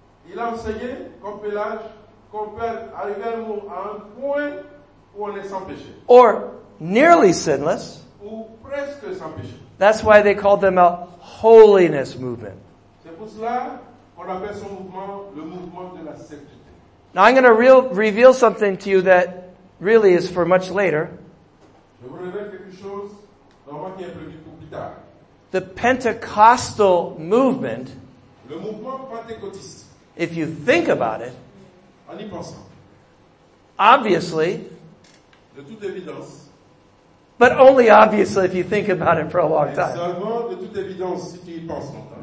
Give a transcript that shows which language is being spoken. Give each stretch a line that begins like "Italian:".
French: Il a enseigné comme Pélage qu'on peut arriver à un point où on est sans péché.
English: Or nearly sinless.
French: Ou presque sans péché.
English: That's why they called them a holiness movement.
French: C'est pour cela qu'on appelle son mouvement le mouvement de la sainteté.
English: Now I'm going to reveal something to you that really is for much later.
French: Je vous révèle quelque chose normalement qui est prévu pour plus tard.
English: The Pentecostal movement,
French: le mouvement pentecôtiste,
English: if you think about it,
French: en y pensant,
English: obviously,
French: de toute évidence,
English: but only obviously if you think about it for a long time,
French: seulement de toute évidence, si tu y penses longtemps,